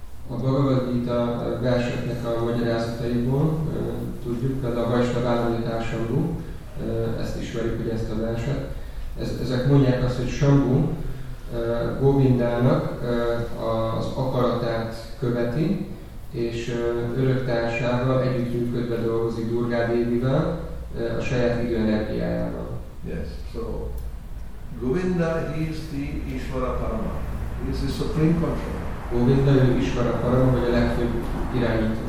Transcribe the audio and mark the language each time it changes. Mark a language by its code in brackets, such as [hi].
[hu] A Bhagavad Gita verseknek a magyarázataiból tudjuk, például a Vaishnava-vádanításambú, ezt ismerjük, hogy ezt a verset. Ezek mondják azt, hogy Shambhu Govindának az akaratát követi, és öröktársával együttműködve dolgozik Durga Devivel a saját időenergiájával. [en] Yes, so Govinda is the Ishvara Parama, is the Supreme Control. [hu] Govinda ő Ishvara Param, vagy a legfőbb irányító.